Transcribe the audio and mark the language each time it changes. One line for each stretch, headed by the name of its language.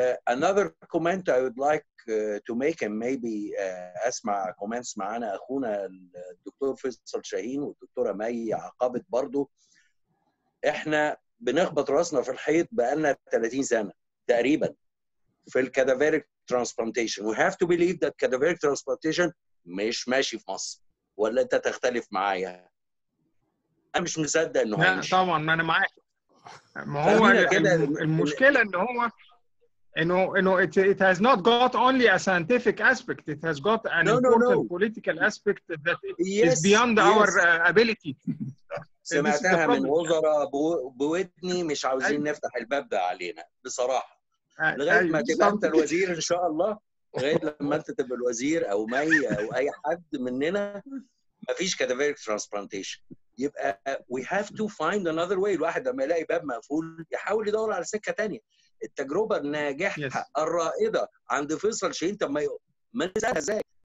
English: Another comment I would like to make and maybe
Arabic: اسمع comments معانا اخونا الدكتور فيصل شاهين والدكتوره مي عقبت برضو. احنا بنخبط راسنا في الحيط بقالنا 30 سنه تقريبا في الكادافيريك ترانسبلانتيشن.
English: We have to believe that
Arabic: cadaveric transplantation مش ماشي في مصر ولا انت تختلف معايا؟ انا مش مصدق انه ماشي. طبعا ما انا معاك. ما هو المشكله ان هو
English: You know, it has not got only a scientific aspect. It has got an important political aspect that is beyond our ability.
Arabic: سمعتها من وزراء بودني مش عاوزين نفتح الباب ده علينا بصراحة. لغاية ما تبقى انت الوزير إن شاء الله. لغاية لما انت تبقى الوزير أو مي أو أي حد مننا ما فيش cadaveric transplantation. يبقى
English: we have to find another way.
Arabic: الواحد لما يلاقي باب مقفول يحاول يدور على سكة تانية. التجربة الناجحة الرائدة عند فيصل شاهين تم ما نسألها ازاي؟